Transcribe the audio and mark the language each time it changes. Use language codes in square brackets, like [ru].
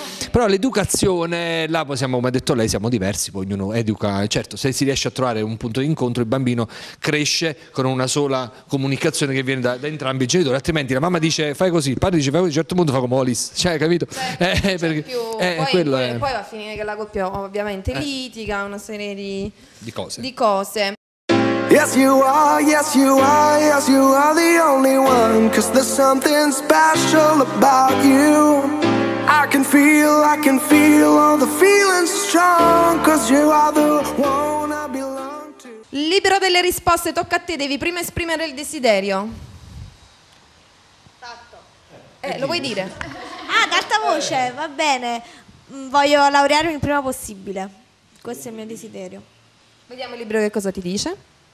[it] Però l'educazione, là possiamo, come ha detto lei, siamo diversi, poi ognuno educa, certo, se si riesce a trovare un punto di incontro, il bambino cresce con una sola comunicazione che viene da entrambi i genitori, altrimenti la mamma dice fai così, il padre dice fai così, a un certo punto fa come Hollis, cioè, capito? Poi va a finire che la coppia ovviamente litiga, una serie di cose. [en] Yes you are, yes you are, yes you are the only one, 'cause there's something special about you. I can feel all the feelings strong, 'cause you are the one I belong to. [it] Libero delle risposte, tocca a te, devi prima esprimere il desiderio. Lo vuoi dire? Ah, ad alta voce, va bene. Voglio laurearmi il prima possibile. Questo è il mio desiderio. Vediamo il libro che cosa ti dice.